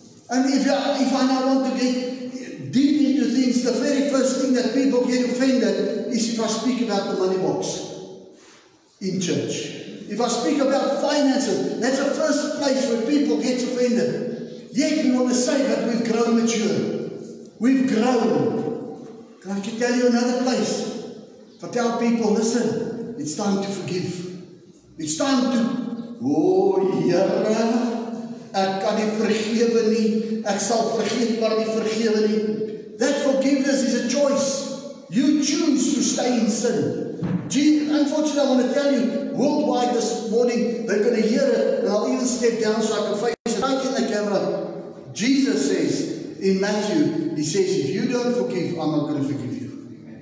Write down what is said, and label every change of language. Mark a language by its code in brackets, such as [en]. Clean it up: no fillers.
[en] And if I now want to get deep into things, the very first thing that people get offended is if I speak about the money box in church. If I speak about finances, that's the first place where people get offended. Yet we want to say that we've grown mature. We've grown. Can I tell you another place? But tell people, listen, it's time to forgive. It's time to, [af] Here, ek kan nie vergewe nie, ek sal vergeet maar nie vergewe nie. [en] That forgiveness is a choice. You choose to stay in sin. Unfortunately, I want to tell you, worldwide this morning, they're going to hear it, and I'll even step down so I can face it right in the camera. Jesus says, in Matthew, he says, if you don't forgive, I'm not going to forgive you.